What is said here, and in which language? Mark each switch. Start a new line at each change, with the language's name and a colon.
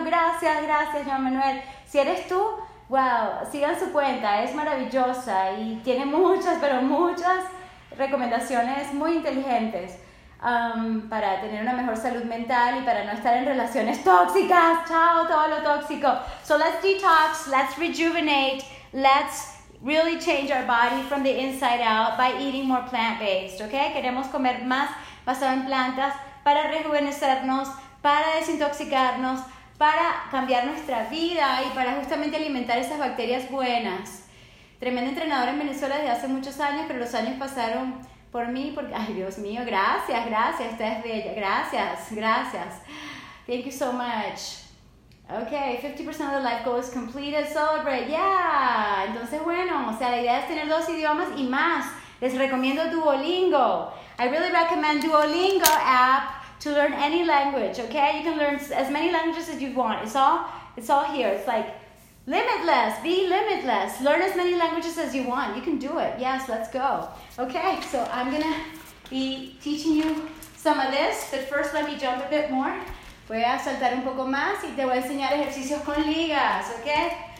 Spanish: Gracias, Juan Manuel. Si eres tú, wow, sigan su cuenta. Es maravillosa y tiene muchas, pero muchas recomendaciones muy inteligentes para tener una mejor salud mental y para no estar en relaciones tóxicas. ¡Chao, todo lo tóxico!
English: So let's detox, let's rejuvenate, let's... really change our body from the inside out by eating more plant-based, okay?
Spanish: Queremos comer más basado en plantas para rejuvenecernos, para desintoxicarnos, para cambiar nuestra vida y para justamente alimentar esas bacterias buenas. Tremendo entrenador en Venezuela desde hace muchos años, pero los años pasaron por mí porque, ay Dios mío, gracias, usted es bella, gracias.
English: Thank you so much. Okay, 50% of the life goal is completed, celebrate, yeah.
Spanish: Entonces, bueno, o sea, la idea es tener dos idiomas y más. Les recomiendo Duolingo.
English: I really recommend Duolingo app to learn any language, okay? You can learn as many languages as you want. It's all here. It's like limitless. Be limitless. Learn as many languages as you want. You can do it. Yes, let's go. Okay, so I'm going to be teaching you some of this, but first let me jump a bit more.
Spanish: Voy a saltar un poco más y te voy a enseñar ejercicios con ligas, ¿ok?